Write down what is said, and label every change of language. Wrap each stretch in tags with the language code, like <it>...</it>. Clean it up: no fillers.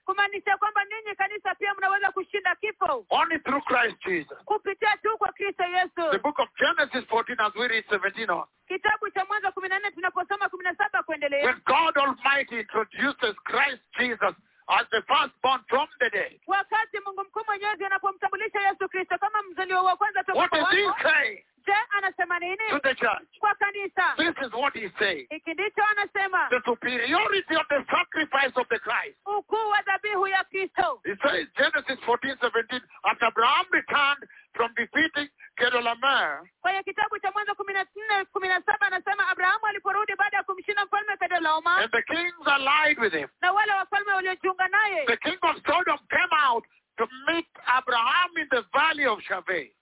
<sw>Kumaanisha kwamba ninyi kanisa pia mnaweza kushinda kifo.</sw> <en>Only through Christ Jesus.</en> <sw>Kupitia tu kwa Kristo Yesu.</sw> <en>The book of Genesis 14 as we read 17 on.</en> <sw>Kitabu cha Mwanzo 14 tunaposoma 17 kuendelea.</sw> <en>When God Almighty introduces Christ Jesus as the firstborn from the dead.</en> <sw>Wakati Mungu mkuu mwenyezi anapomtambulisha Yesu Kristo kama mzaliwa wa kwanza toka kwa wafu.</sw> <en>What is he saying?</en> <sw>Anasema nini?</sw> <en>To the church.</en> <sw>Kwa kanisa.</sw> <en>This is what he's saying.</en> <sw>Iki ndicho anasema.</sw> <en>The superiority of the sacrifice of the Christ.</en> <sw>Ukuu wa dhabihu ya Kristo.</sw> <en>He says Genesis 14:17, after Abraham returned from defeating Kedorlaomer.</en> <sw>Kwenye kitabu cha Mwanzo 14:17 anasema Abraham aliporudi baada ya kumshinda mfalme Kedorlaoma.</sw> <en>And the kings allied with him.</en> <sw>Na wale wafalme waliojiunga naye.</sw> <en>The king of Sodom came out to meet Abraham in the valley of Shaveh.</en>